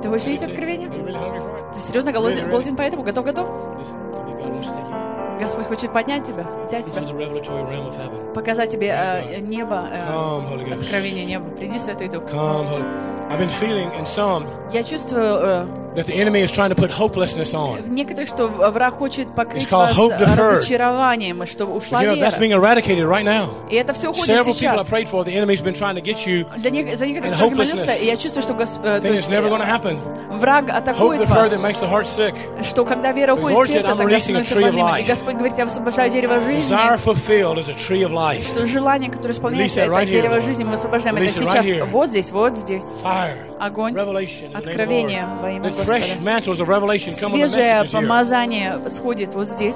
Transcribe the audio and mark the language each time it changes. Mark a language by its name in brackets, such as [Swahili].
[Russian] Ты хочешь видеть откровение? [English] Are you really hungry for it? [Russian] Ты серьезно голоден? Голоден по этому? Готов, готов? [English] Listen, [Russian] Господь хочет поднять тебя, взять тебя, показать тебе небо, откровение неба. Приди, Святой Дух. [English] I've been feeling in some that the enemy is trying to put hopelessness on. [Russian] Некоторых, что враг хочет покрыть вас разочарованием, что ушла вера. [English] You know, that's being eradicated right now. [Russian] И это все уходит сейчас. [English] Several people I prayed for, the enemy's been trying to get you in hopelessness. [Russian] Я чувствую, что [English] it's never going to happen. [Russian] Враг атакует вас. [English] Hope deferred makes the heart sick. [Russian] Что когда вера уходит, сердце так становится больным. И Господь говорит, я высвобождаю дерево жизни. [English] Desire fulfilled is a tree of life. [Russian] Что желание, которое исполняется, это дерево жизни, мы высвобождаем это сейчас. Вот здесь, вот здесь. Огонь, откровение во имя Господа. Свежее помазание сходит вот здесь.